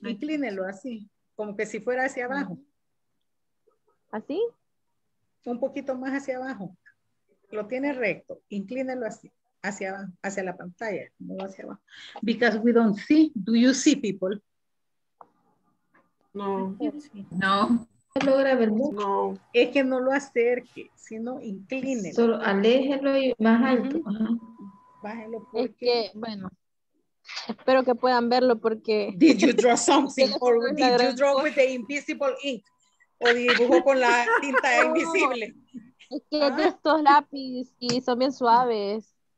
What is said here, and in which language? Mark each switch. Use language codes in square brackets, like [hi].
[es] Inclínelo así, como que si fuera hacia abajo. ¿Así? Un poquito más hacia abajo. Lo tiene recto. Inclínelo así, hacia abajo, hacia la pantalla, no hacia abajo. [en] Because we don't see. Do you see, people? [es] No. No. logra ver mucho. Es que no lo acerque, sino incline. Solo aléjelo y más alto. Ajá. Bájelo porque... Es que, bueno, espero que puedan verlo porque... [en] Did you draw something? Or did you draw with the invisible ink? [es] ¿O dibujó con la tinta invisible? Es que de estos lápices y son bien suaves.